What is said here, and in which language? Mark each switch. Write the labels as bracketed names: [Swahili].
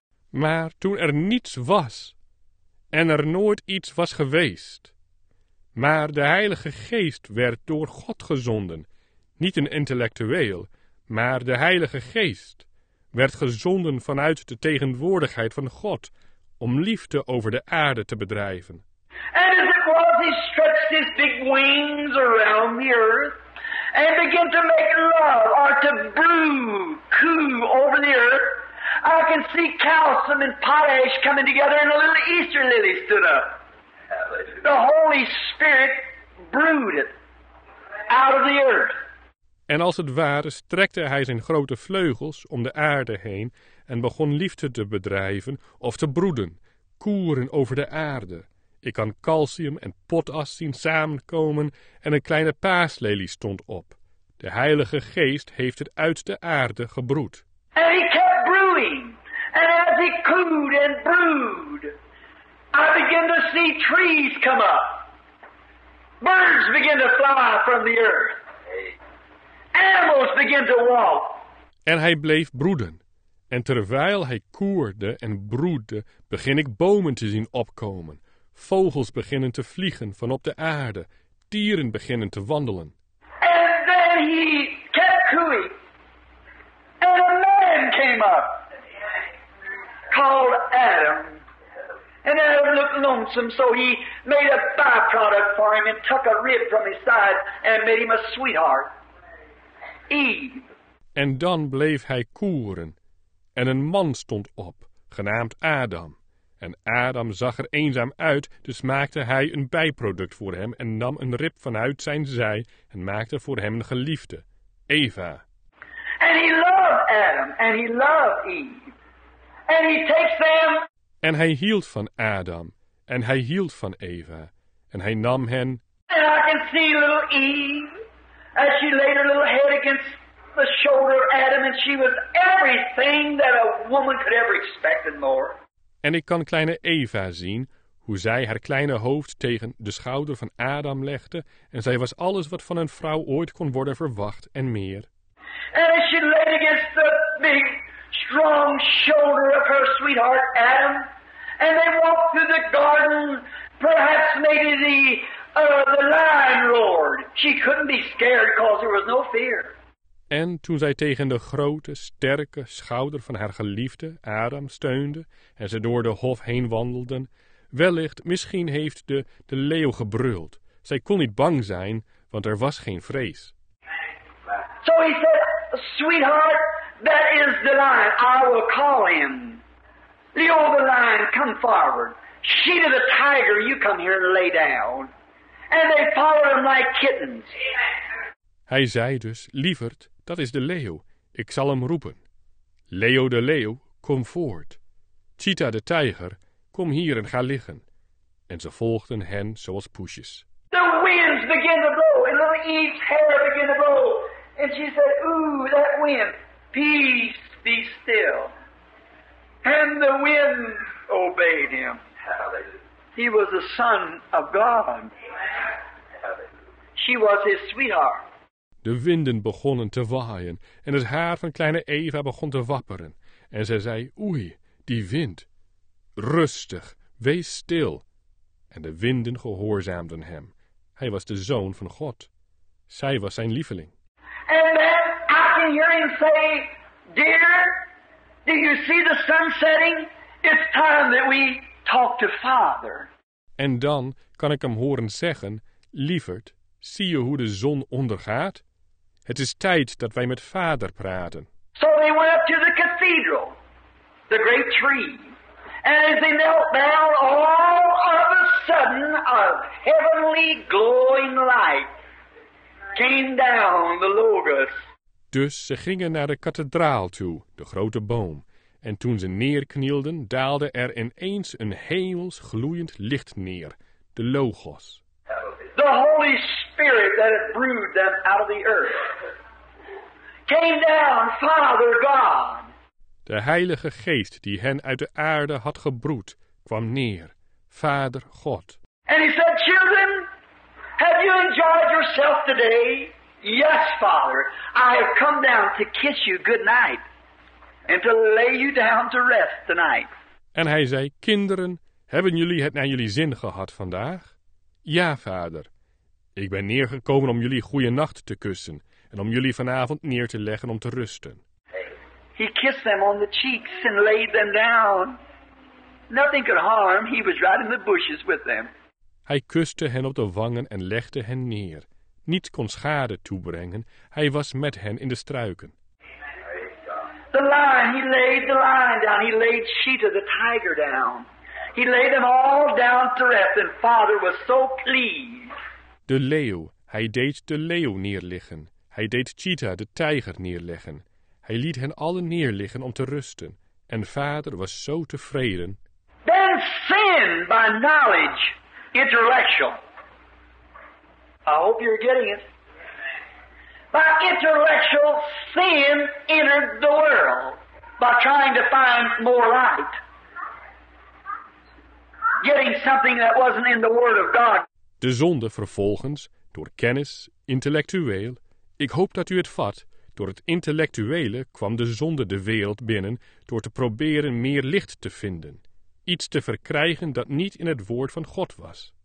[Dutch] Maar toen er niets was, en er nooit iets was geweest, maar de Heilige Geest werd door God gezonden, niet een intellectueel, maar de Heilige Geest werd gezonden vanuit de tegenwoordigheid van God om liefde over de aarde te bedrijven. [English] And as it was, he stretched his big wings around the earth and began to make love, or to brew, coo over the earth. I can see calcium and potash coming together, and a little Easter lily stood up. The Holy Spirit brewed it out of the earth. [Dutch] En als het ware strekte hij zijn grote vleugels om de aarde heen en begon liefde te bedrijven of te broeden, koeren over de aarde. Ik kan calcium en potas zien samenkomen en een kleine paaslelie stond op. De Heilige Geest heeft het uit de aarde gebroed. [English] And he kept brewing. And as he cooed and brewed, I begin to see trees come up. Birds begin to fly from the earth. Animals begin to walk. [Dutch] En hij bleef broeden. En terwijl hij koerde en broedde, begin ik bomen te zien opkomen. Vogels beginnen te vliegen van op de aarde. Dieren beginnen te wandelen. [English] And then he kept cooing. And a man came up. Called Adam. And Adam looked lonesome, so he made a byproduct for him and took a rib from his side and made him a sweetheart. Eve. [Dutch] En dan bleef hij koeren. En een man stond op, genaamd Adam. En Adam zag er eenzaam uit, dus maakte hij een bijproduct voor hem en nam een rib vanuit zijn zij en maakte voor hem een geliefde, Eva. [English] And he loved Adam, and he loved Eve. And he takes them. [Dutch] En hij hield van Adam, en hij hield van Eva, en hij nam hen. [English] And I can see little Eve, as she laid her little head against the shoulder of Adam, and she was everything that a woman could ever expect and more. [Dutch] En ik kan kleine Eva zien, hoe zij haar kleine hoofd tegen de schouder van Adam legde, en zij was alles wat van een vrouw ooit kon worden verwacht en meer. [English] And as she laid against the big, strong shoulder of her sweetheart Adam, and they walked through the garden, perhaps maybe the lion roared. She couldn't be scared, cause there was no fear. [Dutch] En toen zij tegen de grote, sterke schouder van haar geliefde, Adam, steunde en ze door de hof heen wandelden, wellicht, misschien heeft de leeuw gebruld. Zij kon niet bang zijn, want er was geen vrees. [English] So he said, sweetheart, that is the lion. I will call him. Leo the lion, come forward. She to the tiger, you come here and lay down. And they followed him like kittens. [Dutch] Hij zei dus, lieverd, dat is de leeuw. Ik zal hem roepen. Leo de leeuw, kom voort. Cheetah de tijger, kom hier en ga liggen. En ze volgden hen zoals poesjes. [English] The winds begin to blow, and little Eve's hair begin to blow. And she said, ooh, that wind, peace, be still. And the wind obeyed him. Hallelujah. He was the son of God. Hallelujah. She was his sweetheart. [Dutch] De winden begonnen te waaien en het haar van kleine Eva begon te wapperen. En zij zei, oei, die wind, rustig, wees stil. En de winden gehoorzaamden hem. Hij was de zoon van God. Zij was zijn lieveling. [English] And then I can hear him say, dear, do you see the sun setting? It's time that we talk to Father. [Dutch] En dan kan ik hem horen zeggen, lieverd, zie je hoe de zon ondergaat? Het is tijd dat wij met Vader praten. [English] So they went up to the cathedral, the great tree. And as they knelt down, all of a sudden a heavenly glowing light came down the Logos. [Dutch] Dus ze gingen naar de kathedraal toe, de grote boom. En toen ze neerknielden, daalde er ineens een hemels gloeiend licht neer, de Logos. [English] The Holy Spirit that had brewed them out of the earth came down, Father God. [Dutch] De Heilige Geest die hen uit de aarde had gebroed, kwam neer, Vader God. [English] And he said, children, have you enjoyed yourself today? Yes, Father, I have come down to kiss you good night and to lay you down to rest tonight. [Dutch] En hij zei, kinderen, hebben jullie het naar jullie zin gehad vandaag? Ja, Vader, ik ben neergekomen om jullie goeie nacht te kussen en om jullie vanavond neer te leggen om te rusten. [English] He kissed them on the cheeks and laid them down. Nothing could harm. He was right in the bushes with them. [Dutch] Hij kuste hen op de wangen en legde hen neer. Niets kon schade toebrengen. Hij was met hen in de struiken. [English] The lion, he laid the lion down. He laid Cheetah the tiger down. He laid them all down to rest. And Father was so pleased. [Dutch] De leeuw, hij deed de leeuw neerliggen. Hij deed Cheetah de tijger neerleggen. Hij liet hen allen neerliggen om te rusten. En Vader was zo tevreden. [English] Then sin by knowledge, intellectual. I hope you're getting it. By intellectual, sin entered the world by trying to find more light. Getting something that wasn't in the Word of God. [Dutch] De zonde vervolgens, door kennis, intellectueel, ik hoop dat u het vat. Door het intellectuele kwam de zonde de wereld binnen door te proberen meer licht te vinden. Iets te verkrijgen dat niet in het woord van God was.